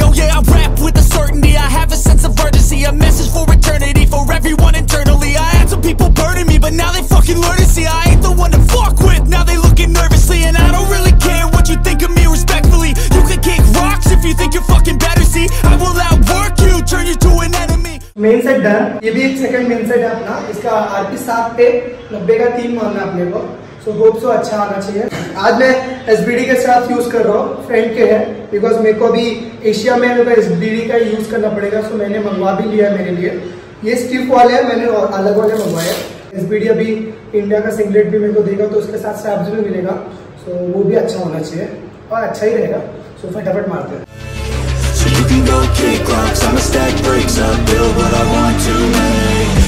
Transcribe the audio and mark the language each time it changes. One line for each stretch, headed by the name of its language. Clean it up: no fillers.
English: Oh yeah, I rap with a certainty, I have a sense of urgency, a message for eternity, for everyone internally. I had some people burning me, but now they fucking learn to see I ain't the one to fuck with, now they looking nervously. And I don't really care what you think of me, respectfully. You can kick rocks if you think you're fucking better. See, I will outwork you, turn you to an enemy. Main set done.
Hindi: ये भी एक second main set है अपना. इसका RP 790 का 3 मानना अपने को.
English: so hope so
Hindi: अच्छा आना चाहिए. आज मैं एसबीडी के साथ यूज कर रहा हूँ, फ्रेंड के है, बिकॉज मेरे को अभी एशिया में एसबीडी का यूज करना पड़ेगा. सो मैंने मंगवा भी लिया मेरे लिए. ये स्टिफ वाले है, मैंने अलग वाले मंगवाए. एसबीडी अभी इंडिया का सिंगलेट भी मेरे को देगा, तो उसके साथ स्ट्रैप्स भी मिलेगा. सो वो भी अच्छा होना चाहिए और अच्छा ही रहेगा. सो फटाफट मारते हैं.
English: You can go kick rocks, I'ma stack bricks up, build what I want to make.